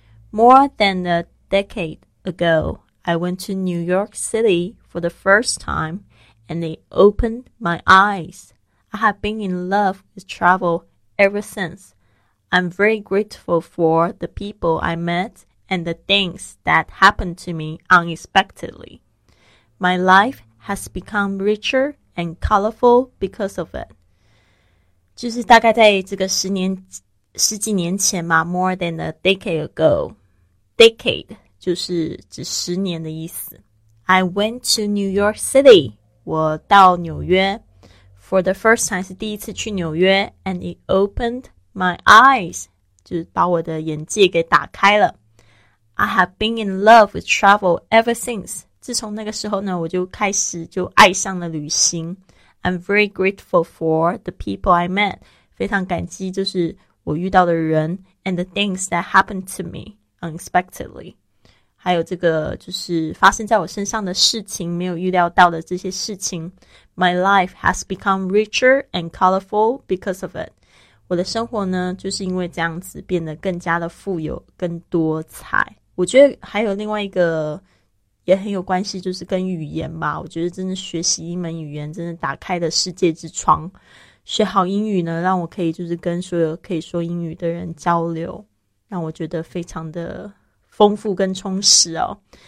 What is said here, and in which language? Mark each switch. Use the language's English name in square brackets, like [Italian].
[English] More than a decade ago I went to New York City for the first time and it opened my eyes I have been in love with travel ever since I'm very grateful for the people I met and the things that happened to me unexpectedly. My life has become richer and colorful because of it. [Chinese] 就是大概在这个十几年前嘛 [English] more than a decade ago. [Chinese] Decade 就是指十年的意思。 [English] I went to New York City. [Chinese] 我到纽约 [English] for the first time [Chinese] 是第一次去纽约 [English] and it opened. My eyes, [Chinese] 就是把我的眼界给打开了。 [English] I have been in love with travel ever since. [Chinese] 自从那个时候呢，我就开始就爱上了旅行。 [English] I'm very grateful for the people I met. [Chinese] 非常感激就是我遇到的人 [English] and the things that happened to me unexpectedly. [Chinese] 还有这个就是发生在我身上的事情，没有预料到的这些事情。 [English] My life has become richer and colorful because of it. [Chinese] 我的生活呢就是因为这样子变得更加的富有更多彩我觉得还有另外一个也很有关系就是跟语言吧我觉得真的学习一门语言真的打开了世界之窗学好英语呢让我可以就是跟所有可以说英语的人交流让我觉得非常的丰富跟充实哦